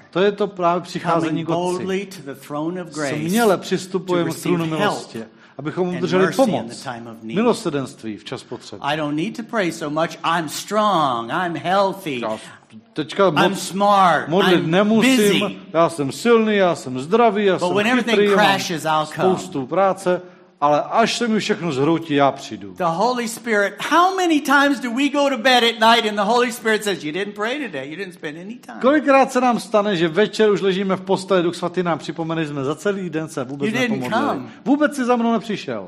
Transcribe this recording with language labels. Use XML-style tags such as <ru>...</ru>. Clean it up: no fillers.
<cs>To je to právě přicházení k Otci. Směle přistupujeme k trůnu milosti, abychom obdrželi pomoc, milosrdenství v čas potřeby.</cs> <en>I don't need to pray so much. I'm strong. I'm healthy.</en> <cs>Teďka modlit nemusím. Já jsem silný, já jsem zdravý, já jsem chytrý, mám spoustu práce. Ale až se mi všechno zhroutí, já přijdu.</cs> <en>The Holy Spirit. How many times do we go to bed at night and the Holy Spirit says you didn't pray today, you didn't spend any time.</en> <cs>Kolikrát se nám stane, že večer už ležíme v posteli, Duch Svatý nám připomene, že jsme za celý den se vůbec nepomodlili. Vůbec si za mnou nepřišel.</cs>